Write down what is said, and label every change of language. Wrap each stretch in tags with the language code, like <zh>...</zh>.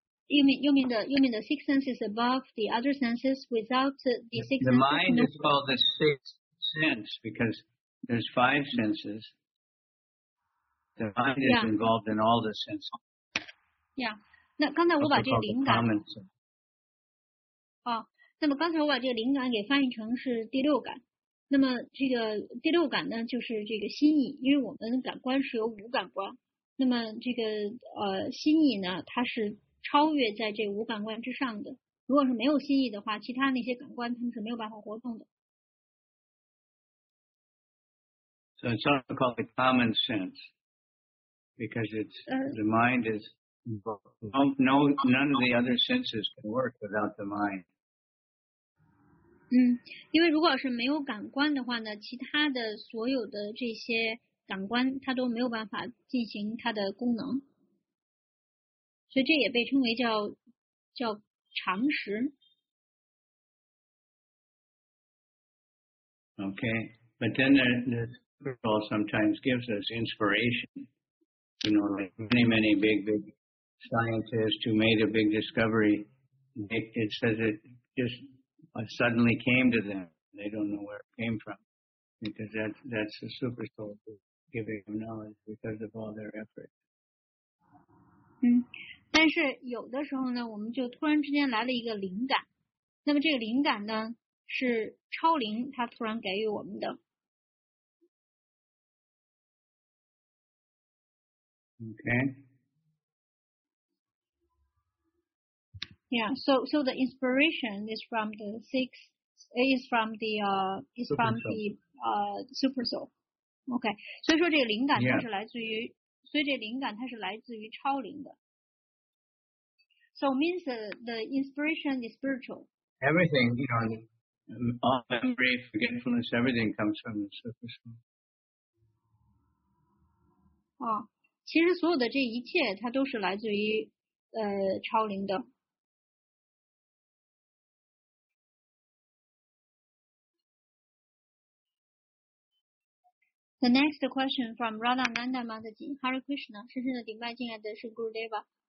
<en>You mean the sixth sense is above the other senses without the sixth sense? The mind is called the sixth sense because there's five senses. The mind is involved in all the senses.</en> <zh>Yeah. 那刚才我把这个灵感。那么刚才我把这个灵感给翻译成是第六感。那么这个第六感呢，就是这个心意，因为我们感官是由五感官。那么这个心意呢，它是超越在这五感官之上的。如果是没有心意的话，其他那些感官他们是没有办法活动的。</zh> <en>So it's not called the common sense because it's the mind is none of the other senses can work without the mind.</en> <zh>因为如果是没有感官的话呢，其他的所有的这些感官它都没有办法进行它的功能，所以这也被称为叫常识。</zh> <en>Okay, but then the spiritual sometimes gives us inspiration. You know, like many big scientists who made a big discovery, it says it just suddenly came to them. They don't know where it came from because that's the super soul giving them knowledge because of all their efforts.</en> <zh>但是有的时候呢，我们就突然之间来了一个灵感，那么这个灵感呢是超灵它突然给予我们的。</zh> <en>Okay. Yeah. So the inspiration is from the six. Is from the super soul. Okay.</en> <zh>所以说这个灵感它是来自于，</zh> <en>yeah.</en> <zh>所以这灵感它是来自于超灵的。</zh> <en>So means the inspiration is spiritual. Everything, you know, all memory, forgetfulness, everything comes from the super soul.</en> <zh>其实所有的这一切它都是来自于超灵的。</zh> <en>The next question from Radha Nanda Mataji, Hare Krishna,</en> <zh>深深的顶拜敬爱的是</zh> <en>Gurudeva。</en>